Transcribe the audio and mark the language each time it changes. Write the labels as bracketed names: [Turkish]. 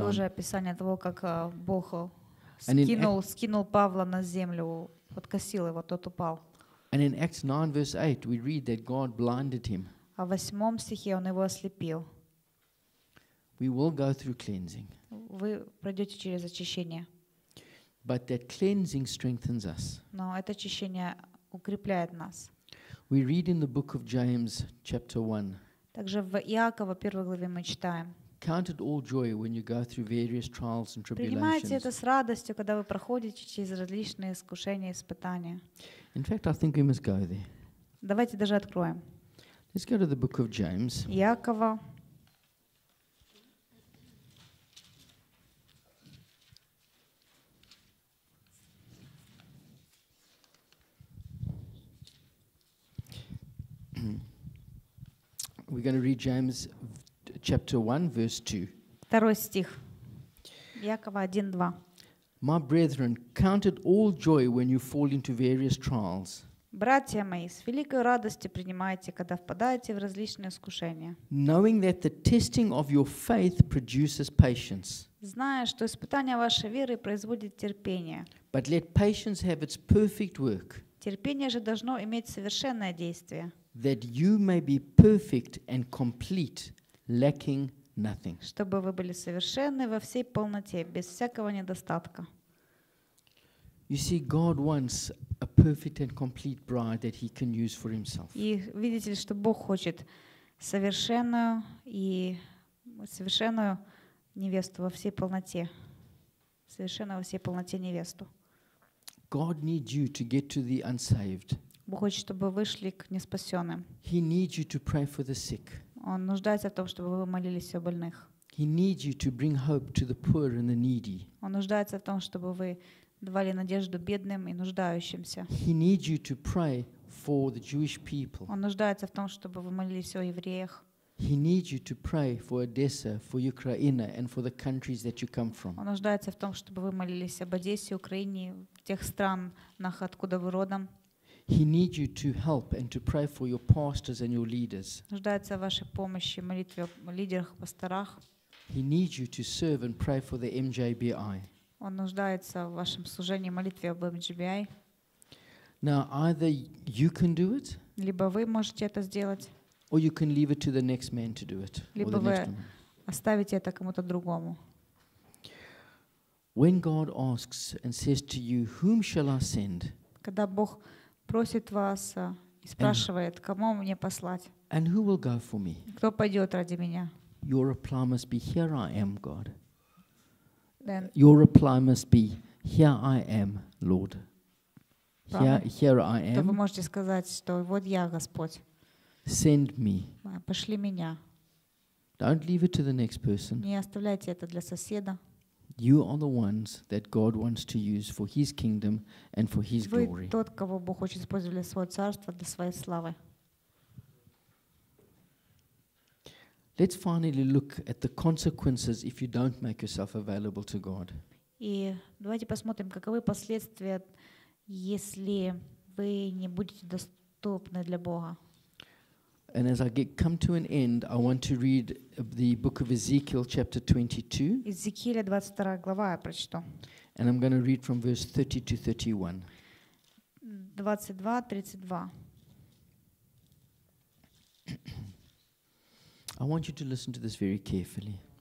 [Russian] Тоже описание того, как Бог скинул Павла на землю, подкосил его, тот упал. [English] And in Acts 9 verse 8 we read that God blinded him. [Russian] А в 8 стихе он его ослепил. [English] We will go through cleansing. [Russian] Вы пройдёте через очищение. [English] But that cleansing strengthens us. [Russian] Но это очищение укрепляет нас. [English] We read in the book of James chapter 1. [Russian] Также в Иакова первой главе мы читаем. [English] Count it all joy when you go through various trials and tribulations. [Russian] Принимайте это с радостью, когда вы проходите через различные искушения и испытания. [English] In fact, I think we must go there. [Russian] Давайте даже откроем. [English] Let's go to the book of James. [Russian] Иакова. [English] We're going to read James chapter 1 verse 2. [Russian] Второй стих. Иакова 1:2. [English] My brethren, count it all joy when you fall into various trials. [Russian] Братья мои, с великой радостью принимайте, когда впадаете в различные искушения. [English] Knowing that the testing of your faith produces patience. [Russian] Зная, что испытание вашей веры производит терпение. [English] But let patience have its perfect work. [Russian] Терпение же должно иметь совершенное действие. [English] That you may be perfect and complete, lacking nothing. [Russian] Чтобы вы были совершенны во всей полноте, без всякого недостатка. [English] You see, God wants a perfect and complete bride that He can use for Himself. [Russian] И видите ли, что Бог хочет совершенную и совершенную невесту во всей полноте, совершенную во всей полноте невесту. [English] God needs you to get to the unsaved. [Russian] Бог хочет, чтобы вы шли к неспасённым. [English] He needs you to pray for the sick. [Russian] Он нуждается в том, чтобы вы молились о больных. [English] He needs you to bring hope to the poor and the needy. [Russian] Он нуждается в том, чтобы вы давали надежду бедным и нуждающимся. [English] He needs you to pray for the Jewish people. [Russian] Он нуждается в том, чтобы вы молились о евреях. [English] He needs you to pray for Odessa, for Ukraine and for the countries that you come from. [Russian] Он нуждается в том, чтобы вы молились об Одессе, Украине, тех странах, откуда вы родом. [English] He needs you to help and to pray for your pastors and your leaders. [Russian] Нуждается в вашей помощи, молитве о лидерах, пасторах. [English] He needs you to serve and pray for the MJBI. [Russian] Он нуждается в вашем служении, молитве об MJBI. [English] Now either you can do it. [Russian] Либо вы можете это сделать. [English] Or you can leave it to the next man to do it. [Russian] Либо вы оставите это кому-то другому. [English] When God asks and says to you, whom shall I send? [Russian] Когда Бог просит вас и спрашивает, кому мне послать? [English] And who will go for me? [Russian] Кто пойдёт ради меня? [English] Your reply must be, here I am, God. Then your reply must be, here I am, Lord. Here I am. [Russian] То вы можете сказать, что вот я, Господь. [English] Send me. [Russian] Пошли меня. [English] Don't leave it to the next person. [Russian] Не оставляйте это для соседа. [English] You are the ones that God wants to use for His kingdom and for His glory. [Russian] Вы тот, кого Бог хочет использовать для своего царства, для своей славы. [English] Let's finally look at the consequences if you don't make yourself available to God. [Russian] И давайте посмотрим, каковы последствия, если вы не будете доступны для Бога. [English] And as I come to an end, I want to read the book of Ezekiel, chapter 22. [Russian] Иезекииля 22 глава я прочту. [English] And I'm going to read from verse 30 to 31. [Russian] 22:32. [English] I want you to listen to this very carefully.